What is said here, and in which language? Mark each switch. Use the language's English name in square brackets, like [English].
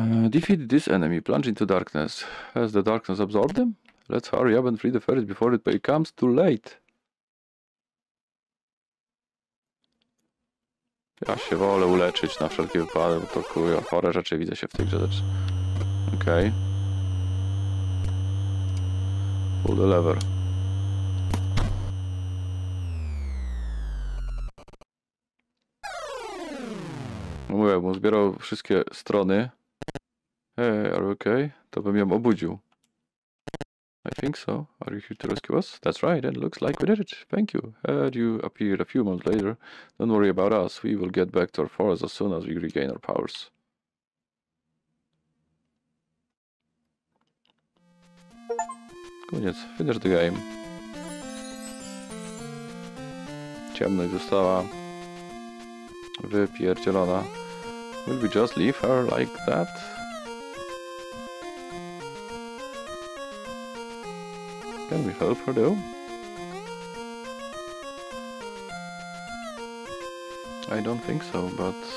[English] Defeat this enemy, plunge into darkness. Has the darkness absorbed them? Let's hurry up and free the ferret before it becomes too late. [Polish] Ja się wolę uleczyć na wszelki wypadek, bo to kurwa chore rzeczy widzę się w tej grze. Okej. [English] Pull the lever. [Polish] Mówię, bo zbierał wszystkie strony. [English] Hey, are you okay? [Polish] To bym ją obudził. [English] I think so. Are you here to rescue us? That's right, and it looks like we did it. Thank you. Had you appeared a few months later, don't worry about us. We will get back to our forest as soon as we regain our powers. [Polish] Koniec. [English] Finish the game. [Polish] Ciemność została wypierdzielona. [English] Will we just leave her like that? Can we help her though? I don't think so, but...